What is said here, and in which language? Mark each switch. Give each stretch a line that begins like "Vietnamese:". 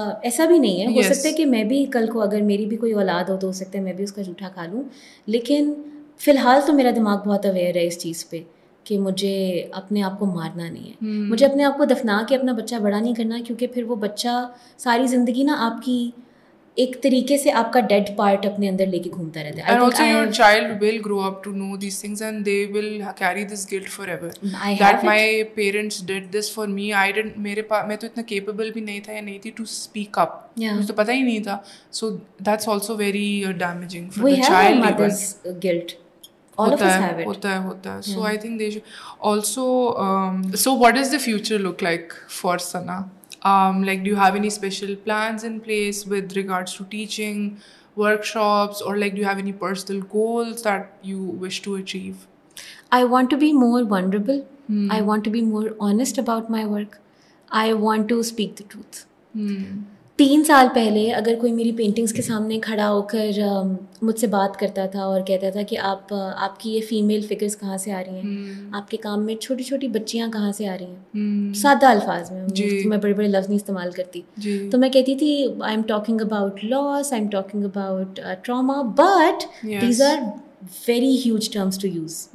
Hindi: ऐसा भी नहीं है, हो सकता है कि मैं भी कल को अगर मेरी भी कोई औलाद हो तो हो सकता है मैं भी उसका झूठा खा लूँ, लेकिन फिलहाल तो मेरा दिमाग बहुत अवेयर है इस चीज़ पे कि मुझे अपने आप को मारना नहीं है, मुझे अपने आप को दफना के अपना बच्चा बड़ा नहीं करना, क्योंकि फिर वो बच्चा सारी जिंदगी ना आपकी एक तरीके से आपका डेड पार्ट अपने अंदर लेके घूमता रहता है।
English: And also your child will grow up to know these things and they will carry this guilt forever. I have it. That my parents did this for me. I didn't,
Hindi: मेरे पास, मैं तो इतना
English: capable
Hindi: भी नहीं था या नहीं थी
English: to speak up. Yeah.
Hindi: मुझे तो पता ही नहीं था.
English: So that's also very damaging for we the child. We have our mother's guilt.
Hindi: होता है।
English: So I think they should also. So what does the future look like for Sana? Like, do you have any special plans in place with regards to teaching, workshops, or like, do you have any personal goals that you wish to achieve? I want to be more vulnerable. I want to be more honest about my work. I want to speak the truth.
Hindi: 3 साल पहले अगर कोई मेरी paintings के सामने खड़ा होकर मुझसे बात करता था और कहता था कि आप आपकी ये फीमेल फिगर्स कहाँ से आ रही हैं, आपके काम में छोटी छोटी बच्चियाँ कहाँ से आ रही हैं, सादा अल्फाज में, मैं बड़े बड़े लफ्ज़ नहीं इस्तेमाल करती, तो मैं कहती थी
English: I am talking about loss, I am talking about trauma, but these are very huge terms to use.